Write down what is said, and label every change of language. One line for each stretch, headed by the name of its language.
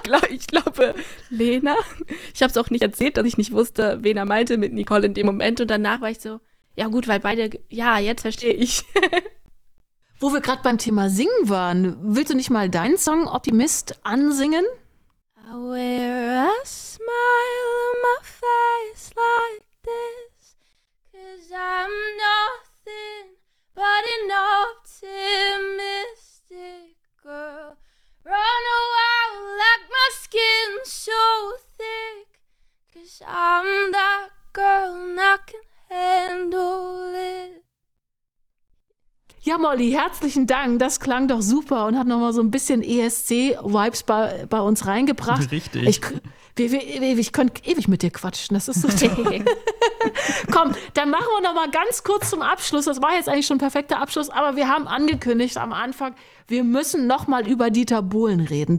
German: Ich glaube, Lena? Ich habe es auch nicht erzählt, dass ich nicht wusste, wen er meinte mit Nicole in dem Moment. Und danach war ich so, Ja, gut, weil beide. Ja, jetzt verstehe ich. Wo wir gerade beim Thema Singen waren, willst du nicht mal deinen Song Optimist ansingen?
English: I wear a smile on my face like this, 'cause I'm nothing but an optimistic girl. Run away like my skin's so thick, 'cause I'm that girl and I can handle it.
German: Ja, Molly, herzlichen Dank. Das klang doch super und hat nochmal so ein bisschen ESC-Vibes bei uns reingebracht. Richtig. Ich könnte ewig mit dir quatschen. Das ist so toll. Komm, dann machen wir nochmal ganz kurz zum Abschluss. Das war jetzt eigentlich schon ein perfekter Abschluss, aber wir haben angekündigt am Anfang, wir müssen nochmal über Dieter Bohlen reden.